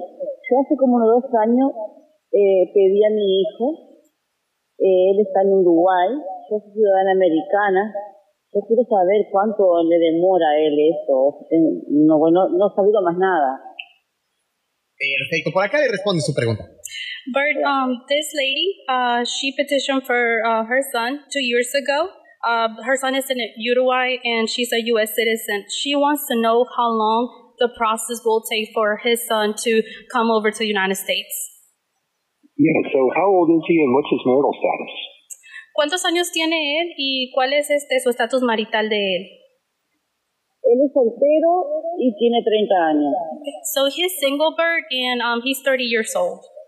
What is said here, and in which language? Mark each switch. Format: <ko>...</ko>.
<es>Yo hace como 2 años pedí a mi hijo. Él está en Uruguay. Yo soy ciudadana americana. Yo quiero saber cuánto le demora a él esto. No he sabido más nada. Perfecto. Por acá le responde su pregunta.</es> <en>Bert, this lady, she petitioned for her son 2 years ago. Her son is in Uruguay, and she's a U.S. citizen. She wants to know how long the process will take for his son to come over to the United States. Yeah, so how old is he, and what's his marital status?</en> <es>¿Cuántos años tiene él, y cuál es su estatus marital de él? Él es soltero, y tiene 30 años.</es> <en>So he's single, Bert, and he's 30 years old.</en>